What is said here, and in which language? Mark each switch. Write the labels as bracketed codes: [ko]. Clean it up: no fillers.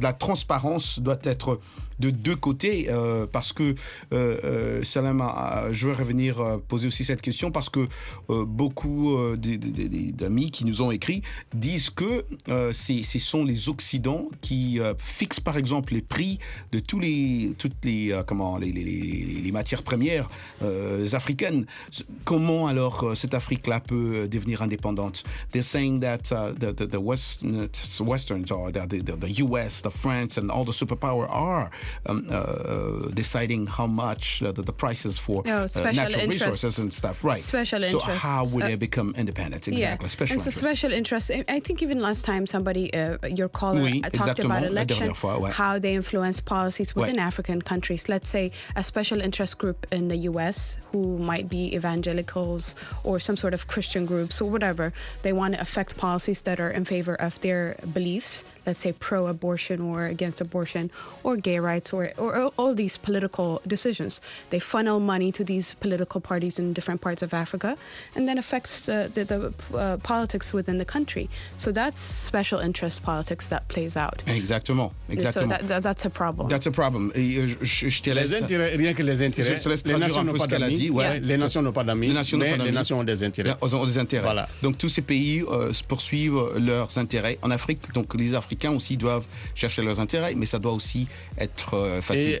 [fr] La transparence doit être de deux côtés, parce que Salam, je veux revenir poser aussi cette question, parce que beaucoup d'amis qui nous ont écrit disent que ce sont les Occidents qui fixent par exemple les prix de toutes les matières premières africaines. Comment alors cette Afrique-là peut devenir indépendante? [en] They're saying that the US, the France and all the superpowers are deciding how much the prices for Special resources and stuff, right? Special so interests. So how would they become independent? Exactly. Yeah. Special interests. I think even last time somebody, your caller, [fr] oui, [en] talked about election, how they influence policies within African countries. Let's say a special interest group in the U.S. who might be evangelicals or some sort of Christian groups or whatever, they want to affect policies that are in favor of their beliefs, let's say pro-abortion or against abortion or gay rights or all these political decisions. They funnel money to these political parties in different parts of Africa and then affects the politics within the country. So that's special interest politics that plays out. [fr] Exactement. [en] So that's a problem. [fr] Les nations n'ont pas d'amis, mais les nations ont des intérêts. Donc tous ces pays poursuivent leurs intérêts en Afrique. Donc les Africains aussi doivent chercher leurs intérêts, mais ça doit aussi être facile.